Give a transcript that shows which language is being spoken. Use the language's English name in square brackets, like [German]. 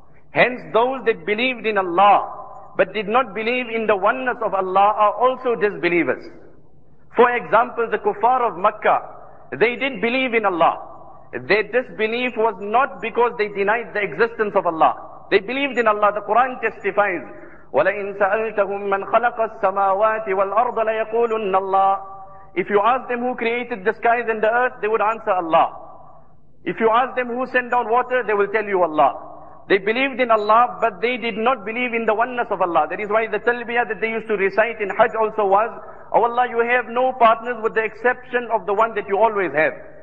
[English] Hence those that believed in Allah but did not believe in the oneness of Allah are also disbelievers. For example, the kuffar of Makkah, they did believe in Allah. Their disbelief was not because they denied the existence of Allah. They believed in Allah. The Quran testifies, [Arabic] وَلَئِن سَأَلْتَهُمْ مَنْ خَلَقَ السَّمَاوَاتِ وَالْأَرْضَ لَيَقُولُنَّ اللَّهِ. [English] If you ask them who created the skies and the earth, they would answer Allah. If you ask them who sent down water, they will tell you Allah. They believed in Allah, but they did not believe in the oneness of Allah. That is why the talbiyah that they used to recite in Hajj also was, O Allah, you have no partners with the exception of the one that you always have.